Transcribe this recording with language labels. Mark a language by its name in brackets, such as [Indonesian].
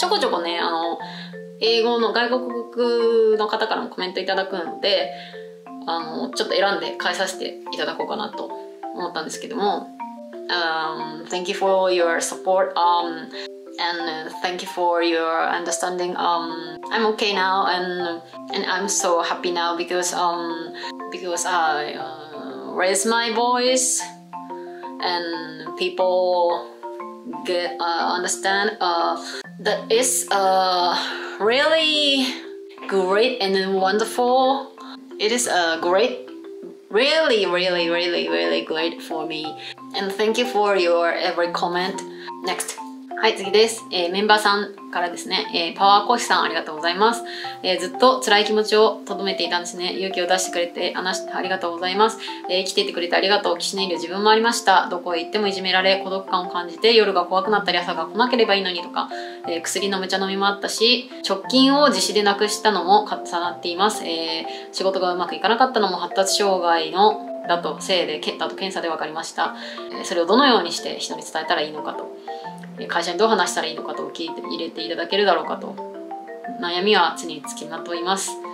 [Japanese] ちょこちょこね、英語の外国の方からもコメントいただくんで、ちょっと選んで返させていただこうかなと思ったんですけども、 [English] Thank you for your support, and thank you for your understanding. I'm okay now, and I'm so happy now because I raise my voice and people. Understand that is really great and wonderful. It is a great, really, really, really, really great for me. And thank you for your every comment. Next. [Japanese] はい、次です、メンバーさんからですね、パワーコーヒーさんありがとうございます、ずっと辛い気持ちを留めていたんですね。勇気を出してくれて話してありがとうございます、生きていてくれてありがとう。岸根流自分もありました。どこへ行ってもいじめられ孤独感を感じて夜が怖くなったり朝が来なければいいのにとか、薬の無茶飲みもあったし直近を自死でなくしたのも重なっています、仕事がうまくいかなかったのも発達障害のだとせいで、だと検査で分かりました、それをどのようにして人に伝えたらいいのかと、会社にどう話したらいいのかと聞いて入れていただけるだろうかと、悩みは常につきまといます。